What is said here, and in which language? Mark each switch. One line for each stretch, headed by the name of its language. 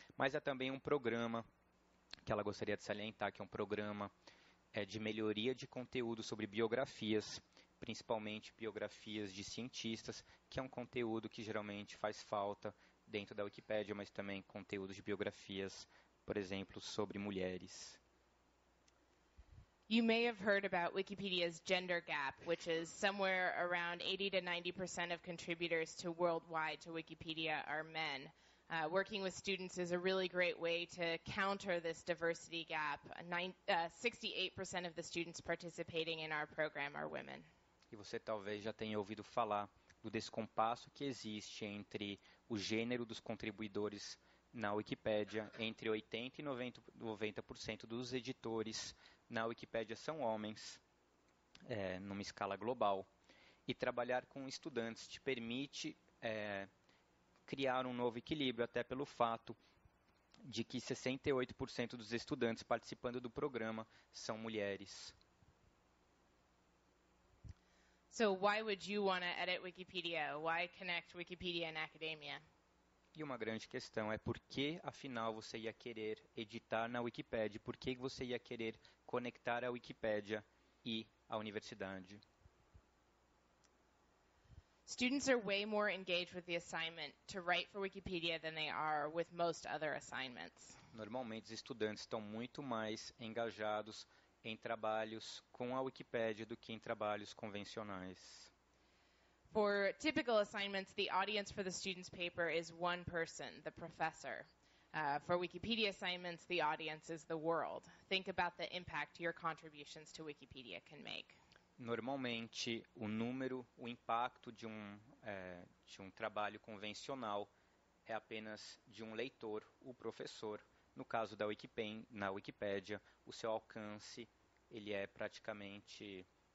Portuguese: Mas é também um programa que ela gostaria de salientar, que é um programa de melhoria de conteúdo sobre biografias, principalmente biografias de cientistas, que é um conteúdo que geralmente faz falta dentro da Wikipédia, mas também conteúdos de biografias, por exemplo, sobre mulheres.
English: You may have heard about Wikipedia's gender gap, which is somewhere around 80 to 90% of contributors to worldwide to Wikipedia are men. Working with students is a really great way to counter this diversity gap. 68% of the students participating in our program are women.
Portuguese: E você talvez já tenha ouvido falar do descompasso que existe entre o gênero dos contribuidores na Wikipédia, entre 80% e 90% dos editores na Wikipédia são homens, numa escala global. E trabalhar com estudantes te permite criar um novo equilíbrio, até pelo fato de que 68% dos estudantes participando do programa são mulheres.
English: So why would you want to edit Wikipedia? Why connect Wikipedia and academia?
Portuguese: E uma grande questão é por que, afinal, você ia querer editar na Wikipédia? Por que você ia querer conectar a Wikipédia e a universidade?
English: Students are way more engaged with the assignment to write for Wikipedia than they are with most other assignments.
Portuguese: Normalmente, os estudantes estão muito mais engajados em trabalhos com a Wikipédia do que em trabalhos convencionais.
English: For typical assignments, the audience for the student's paper is one person, the professor. For Wikipedia assignments, the audience is the world. Think about the impact your contributions to Wikipedia can make.
Portuguese: Normalmente, o impacto de um trabalho convencional é apenas de um leitor, o professor. No caso da Wikipédia, o seu alcance, ele é praticamente...